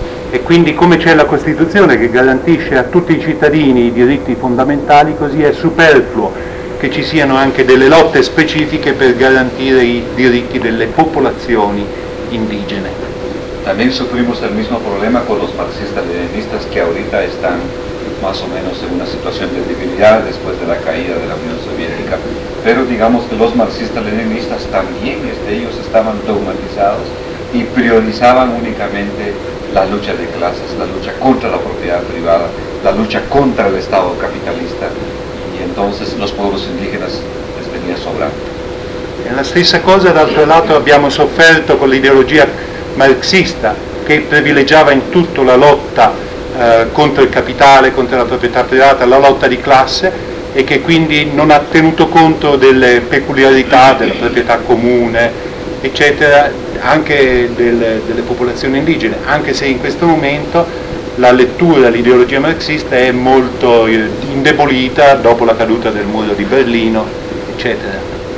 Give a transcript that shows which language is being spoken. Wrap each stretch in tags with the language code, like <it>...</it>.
<it>E quindi come c'è la Costituzione che garantisce a tutti i cittadini i diritti fondamentali, così è superfluo che ci siano anche delle lotte specifiche per garantire i diritti delle popolazioni indigene.</it> <es>También sufrimos el mismo problema con los marxistas-leninistas que ahorita están más o menos en una situación de debilidad después de la caída de la Unión Soviética. Pero digamos que los marxistas-leninistas también, ellos estaban dogmatizados y priorizaban únicamente la lucha de clases, la lucha contra la propiedad privada, la lucha contra el Estado capitalista. Entonces los pueblos indígenas les venía sobrando.</es> <it>E la stessa cosa, d'altro lato, abbiamo sofferto con l'ideologia marxista che privilegiava in tutto la lotta contro il capitale, contro la proprietà privata, la lotta di classe, e che quindi non ha tenuto conto delle peculiarità della proprietà comune, eccetera, anche delle popolazioni indigene, anche se in questo momento la lettura, l'ideologia marxista è molto indebolita dopo la caduta del muro di Berlino, eccetera.</it>